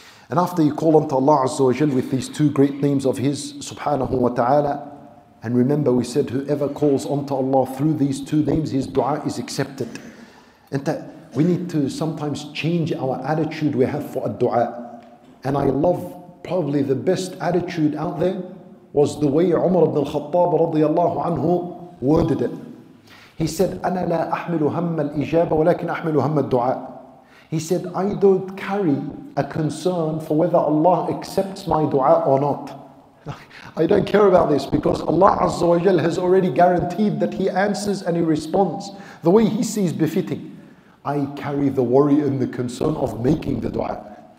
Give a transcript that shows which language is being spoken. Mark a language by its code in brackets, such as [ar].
[en] And after you call unto Allah Azza wa Jal with these two great names of his, subhanahu wa ta'ala, and remember, we said whoever calls unto Allah through these two names, his dua is accepted. And that we need to sometimes change our attitude we have for a dua. And I love probably the best attitude out there was the way Umar ibn al-Khattab radiallahu anhu worded it. He said, [ar] أَنَا لَا أَحْمِلُ هَمَّ الْإِجَابَ وَلَكِنْ أَحْمِلُ هَمَّ الدُّعَاءَ. [en] He said, I don't carry a concern for whether Allah accepts my dua or not. I don't care about this because Allah Azza wa Jal has already guaranteed that He answers and He responds the way He sees befitting. I carry the worry and the concern of making the dua.